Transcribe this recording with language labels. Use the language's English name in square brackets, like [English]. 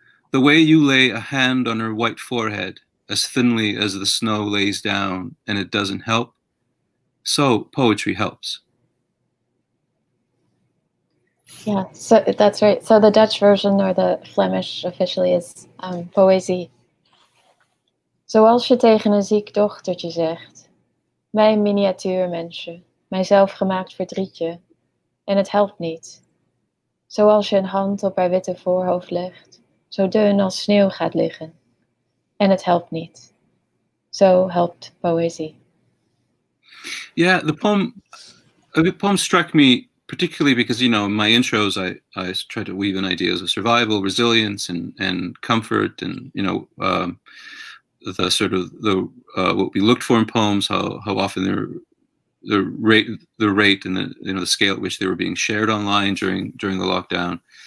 [English] The way you lay a hand on her white forehead as thinly as the snow lays down and it doesn't help. So poetry helps. Yeah, so that's right. So the Dutch version or the Flemish officially is poëzie. [Dutch] Zoals je tegen een ziek dochtertje zegt, mijn miniatuur mensje, mijn zelfgemaakt verdrietje, en het helpt niet. Zoals je een hand op haar witte voorhoofd legt, zo dun als sneeuw gaat liggen, en het helpt niet. Zo helpt poëzie. [English] Yeah, the poem struck me particularly because, you know, in my intros, I try to weave in ideas of survival, resilience, and comfort, and, you know, the sort of the what we looked for in poems, how often the rate and the, you know, the scale at which they were being shared online during the lockdown.